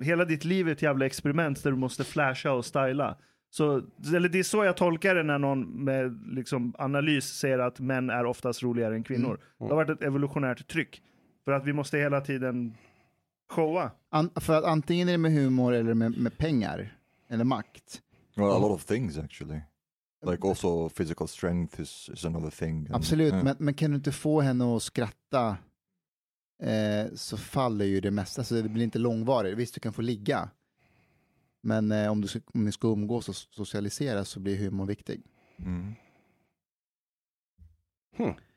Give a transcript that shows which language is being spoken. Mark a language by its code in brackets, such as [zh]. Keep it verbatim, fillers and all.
[sv] Hela ditt liv är ett jävla experiment där du måste flasha och styla. Så, eller det är så jag tolkar det när någon med liksom analys säger att män är oftast roligare än kvinnor. Mm. Mm. Det har varit ett evolutionärt tryck. För att vi måste hela tiden showa. An- för att antingen är det med humor eller med, med pengar. Eller makt. [en] Well, a lot of things actually. Like also physical strength is, is another thing. And, absolut, yeah. [sv] men, men kan du inte få henne att skratta eh, så faller ju det mesta. Alltså, det blir inte långvarigt. Visst, du kan få ligga. Men eh, om, du ska, om ni ska umgås och socialisera så blir humor viktig. Mm. Hmm.